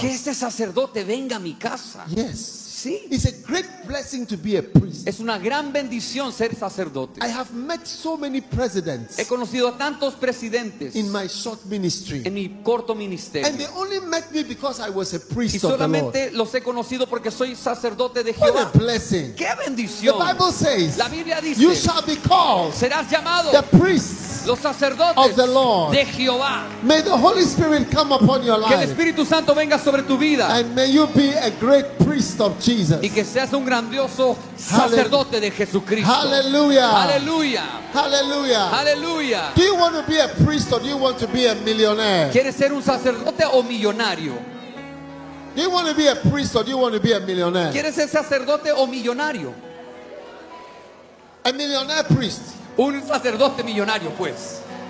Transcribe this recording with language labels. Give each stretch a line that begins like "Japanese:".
Spanish: Que este sacerdote venga a mi casa."
English: Yes.
Spanish: Sí.
English: It's a great blessing to be a priest.
Spanish: Es una gran bendición ser sacerdote.
English: I have met so many presidents.
Spanish: He conocido a tantos presidentes.
English: In my short ministry.
Spanish: En mi corto ministerio.
English: And they only met me because I was a priest of the Lord.
Spanish: Y solamente los he conocido porque soy sacerdote de Jehová.
English: What a blessing.
Spanish: Qué bendición.
English: The Bible says.
Spanish: La Biblia dice.
English: You shall be called.
Spanish: Serás llamado.
English: The priests.
Spanish: Los sacerdotes.
English: Of the Lord.
Spanish: De Jehová.
English: May the Holy Spirit come upon your life.
Spanish: Que el Espíritu Santo venga sobre tu vida.
English: And may you be a great priest of Jesus.
Spanish: Y que seas un grandioso sacerdote de Jesucristo. Hallelujah. Hallelujah. Hallelujah. Hallelujah.
English: Do you want to be a priest or do you want to be a millionaire?
Spanish: ¿Quieres ser un sacerdote o millonario?
English: Do you want to be a priest or do you want to be a millionaire?
Spanish: ¿Quieres ser sacerdote o millonario?
English: A millionaire priest.
Spanish: Un sacerdote millonario, pues.